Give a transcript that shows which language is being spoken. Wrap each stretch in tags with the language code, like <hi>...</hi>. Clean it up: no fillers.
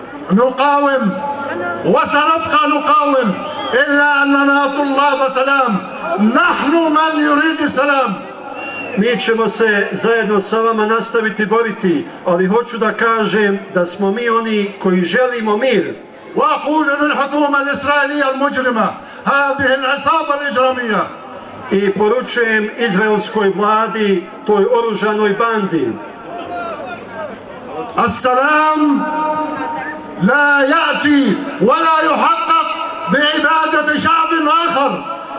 <ar>نقاوم وسنبقى نقاوم إلا أننا طلاب سلام نحن من يريد السلام</ar> <bs>Mi ćemo se zajedno sa vama nastaviti boriti, ali hoću da kažem da smo mi oni koji želimo mir.</bs> <ar>وأقول للحكومة الإسرائيلية المجرمة هذه العصابة الإجرامية</ar> <bs>I poručujem izraelskoj vladi, toj oružanoj bandi.</bs> <ar>السلام لا يأتي ولا يحقق بعبادة شعب آخر.</ar>